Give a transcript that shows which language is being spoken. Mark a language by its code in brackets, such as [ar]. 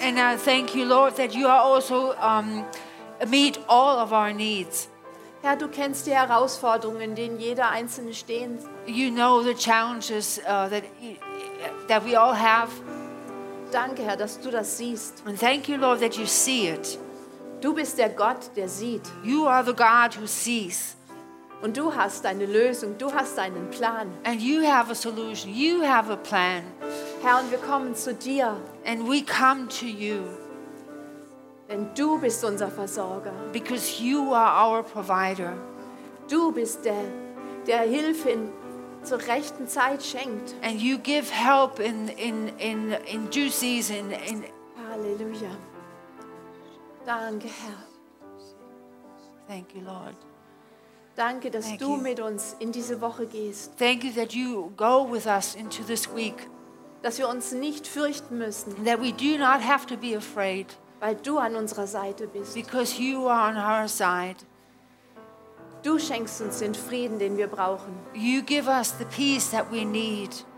[en] And I thank you, Lord, that you are also meet all of our needs. [de] Herr, du kennst die Herausforderungen, denen jeder Einzelne stehen. [en] You know the challenges that we all have. [de] Danke, Herr, dass du das siehst. [en] And thank you, Lord, that you see it. [de] Du bist der Gott, der sieht. [en] You are the God who sees. [de] Und du hast deine Lösung, du hast deinen Plan. [en] And you have a solution, you have a plan. [de] Herr, und wir kommen zu dir. [en] And we come to you. [de] Denn du bist unser Versorger. [en] Because you are our provider. [de] Du bist der Hilfe zur rechten Zeit schenkt. [en] And you give help in due season. [de] Halleluja. Danke, Herr. [en] Thank you, Lord. [de] Danke, dass du mit uns in diese Woche gehst. [en] Thank you that you go with us into this week. [de] Dass wir uns nicht fürchten müssen. [en] That we do not have to be afraid. [de] Weil du an unserer Seite bist. [en] Because you are on our side. [de] Du schenkst uns den Frieden, den wir brauchen. [en] You give us the peace that we need.